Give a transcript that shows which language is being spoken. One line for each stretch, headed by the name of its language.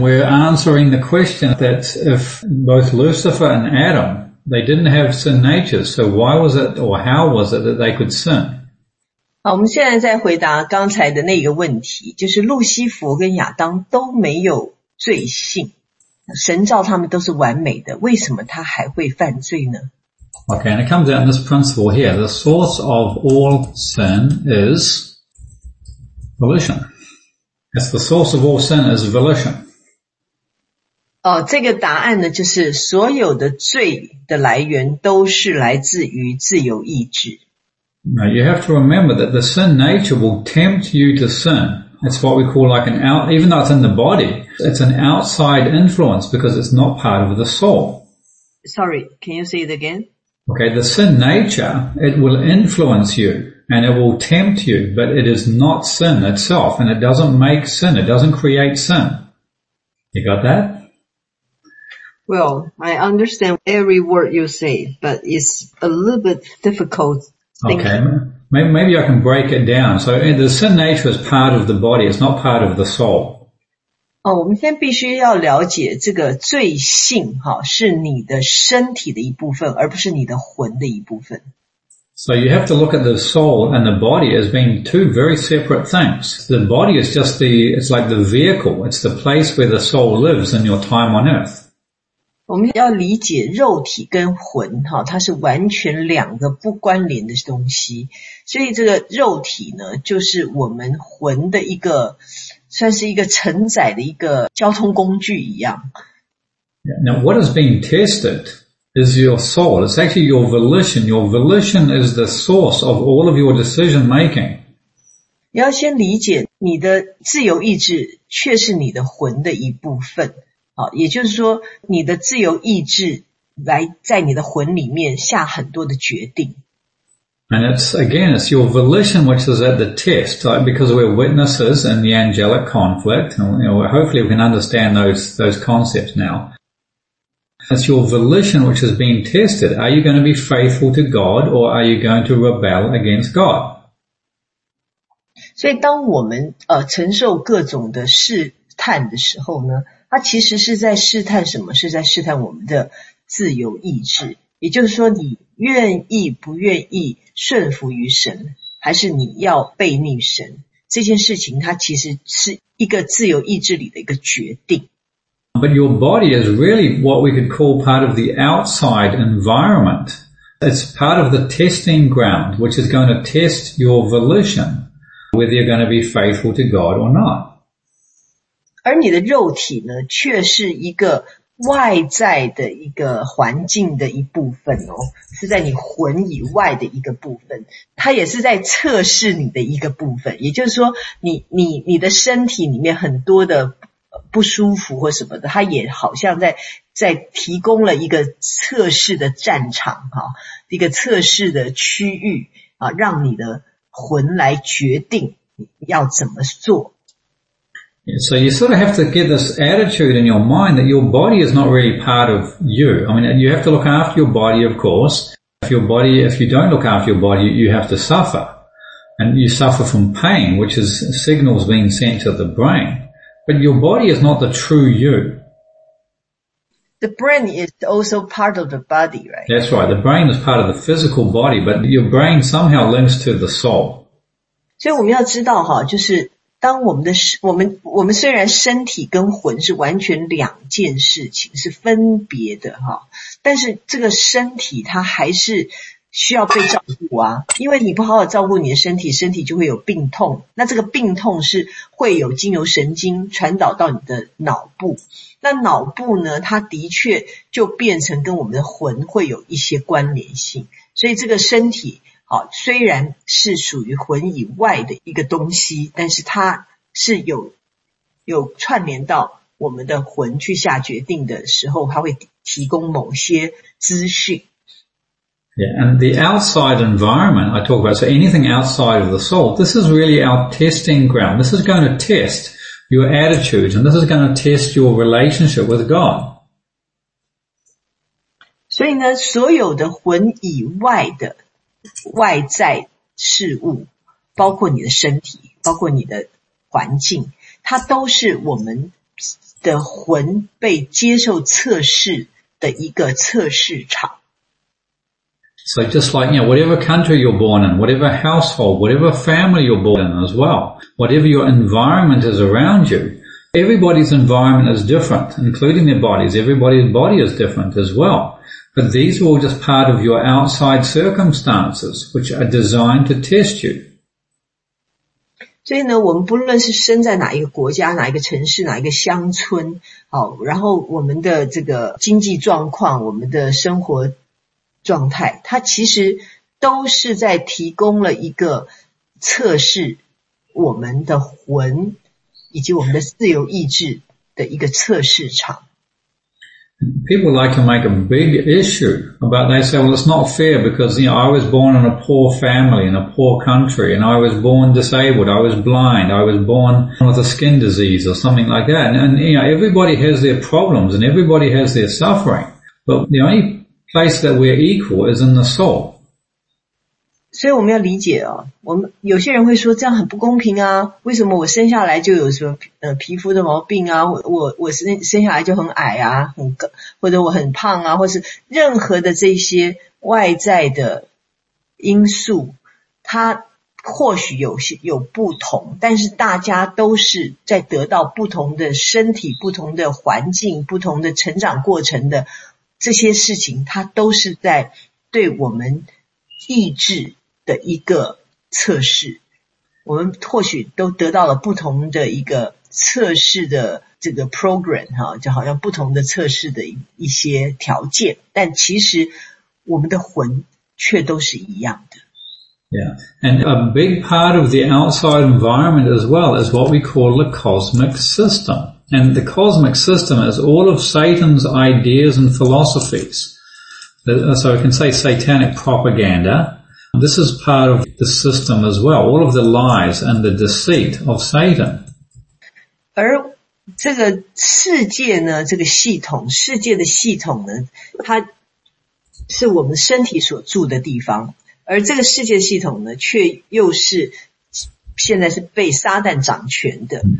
English: We're answering the question that if both Lucifer and Adam, they didn't have sin nature, so why was it or how was it that they could sin?
Chinese: 好，我们现在在回答刚才的那个问题，就是路西弗跟亚当都没有罪性，神造他们都是完美的，为什么他还会犯罪呢？
English: Okay, and it comes out in this principle here. The source of all sin is volition. It's the source of all sin is volition.
Chinese: 哦，这个答案呢，就是所有的罪的来源都是来自于自由意志。
English: Now you have to remember that the sin nature will tempt you to sin. It's what we call like an out, even though it's in the body, it's an outside influence because it's not part of the soul. Sorry, can you say it again? Okay, the sin nature, it will influence you and it will tempt you, but it is not sin itself and it doesn't make sin, it doesn't create sin. You got that? Well, I understand every word you say, but it's a little bit difficult. Okay, maybe I can break it down. So the sin nature is part of the body, it's not part of the soul.
Chinese: 哦，我们先必须要了解这个罪性哈，是你的身体的一部分，而不是你的魂的一部分。
English: So you have to look at the soul and the body as being two very separate things. The body is just the, it's like the vehicle, it's the place where the soul lives in your time on earth.
Chinese: 我们要理解肉体跟魂哈，它是完全两个不关联的东西。所以这个肉体呢，就是我们魂的一个算是一个承载的一个交通工具一样。
English: Now what is being tested is your soul. It's actually your volition. Your volition is the source of all of your decision making.
Chinese: 你要先理解你的自由意志却是你的魂的一部分。好，也就是说你的自由意志来在你的魂里面下很多的决定。
English: And it's, again, it's your volition which is at the test, right? Because we're witnesses in the angelic conflict, and you know, hopefully we can understand those concepts now. It's your volition which is being tested. Are you going to be faithful to God or are you going to rebel against God?
Chinese: 所以当我们承受各种的试探的时候呢，它其实是在试探什么？是在试探我们的自由意志。也就是说你愿意不愿意顺服于神，还是你要背逆神，这件事情它其实是一个自由意志里的一个决定。
English: But your body is really what we could call part of the outside environment. It's part of the testing ground which is going to test your volition, whether you're going to be faithful to God or not.
Chinese: 而你的肉体呢，却是一个外在的一个环境的一部分哦，是在你魂以外的一个部分，它也是在测试你的一个部分。也就是说你的身体里面很多的不舒服或什么的，它也好像在提供了一个测试的战场，一个测试的区域，让你的魂来决定要怎么做。
English: So you sort of have to get this attitude in your mind that your body is not really part of you. I mean, you have to look after your body, of course. If you don't look after your body, you have to suffer. And you suffer from pain, which is signals being sent to the brain. But your body is not the true you. The brain is also part of the body, right? That's right. The brain is part of the physical body, but your brain somehow links to the soul.
Chinese: 所以我们要知道哈，就是当我们虽然身体跟魂是完全两件事情，是分别的，但是这个身体它还是需要被照顾啊，因为你不好好照顾你的身体，身体就会有病痛，那这个病痛是会有经由神经传导到你的脑部，那脑部呢，它的确就变成跟我们的魂会有一些关联性，所以这个身体好，虽然是属于魂以外的一个东西，但是它是有串联到我们的魂去下决定的时候，它会提供某些资讯。
English: Yeah, and the outside environment I talk about, so anything outside of the soul, this is really our testing ground. This is going to test your attitude and this is going to test your relationship with God.
Chinese: 所以呢，所有的魂以外的外在事物，包括你的身体，包括你的环境，它都是我们的魂被接受测试的一个测试场。
English: So just like, you know, whatever country you're born in, whatever household, whatever family you're born in as well, whatever your environment is around you, everybody's environment is different, including their bodies. Everybody's body is different as well. But these are all just part of your outside circumstances, which are designed to test you.
Chinese: 所以呢，我们不论是生在哪一个国家、哪一个城市、哪一个乡村，好，然后我们的这个经济状况、我们的生活状态，它其实都是在提供了一个测试我们的魂以及我们的自由意志的一个测试场。
English: People like to make a big issue about, they say, well, it's not fair because, you know, I was born in a poor family in a poor country and I was born disabled, I was blind, I was born with a skin disease or something like that. And you know, everybody has their problems and everybody has their suffering. But the only place that we're equal is in the soul.
Chinese: 所以我们要理解哦，我们有些人会说这样很不公平啊，为什么我生下来就有什么皮肤的毛病啊，我生下来就很矮啊，很高，或者我很胖啊，或是任何的这些外在的因素，它或许有不同，但是大家都是在得到不同的身体、不同的环境、不同的成长过程的这些事情，它都是在对我们意志的一个测试，我们或许都得到了不同的一个测试的这个 program， 就好像不同的测试的一些条件，但其实我们的魂却都是一样的。
English: Yeah, and a big part of the outside environment as well is what we call the cosmic system. And the cosmic system is all of Satan's ideas and philosophies. So I can say satanic propaganda. This is part of the system as well. All of the lies and the deceit of Satan.
Chinese: 而这个世界呢，这个系统，世界的系统呢，它是我们身体所住的地方。而这个世界系统呢，却又是现在是被撒旦掌权的。